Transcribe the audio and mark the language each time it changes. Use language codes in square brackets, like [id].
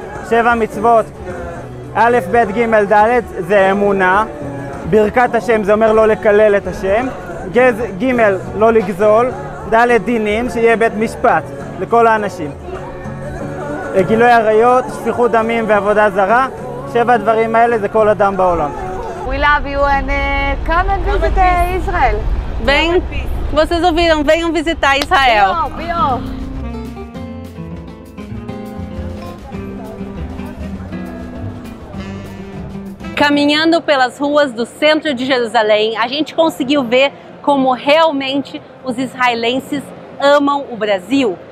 [he] 7 מצוות, א', ב', ג', ד', זה אמונה. ברכת השם זה אומר לא לקלל את השם. ג', לא לגזול. ועדה לדינים שיהיה בית משפט לכל האנשים. גילוי עריות, שפיכות דמים ועבודה זרה, שבע הדברים האלה זה כל אדם בעולם. [en] We love you and come and visit Israel. [pt] Vem, vocês ouviram, venham visitar Israel. Caminhando pelas ruas do centro de Jerusalém, a gente conseguiu ver como realmente os israelenses amam o Brasil.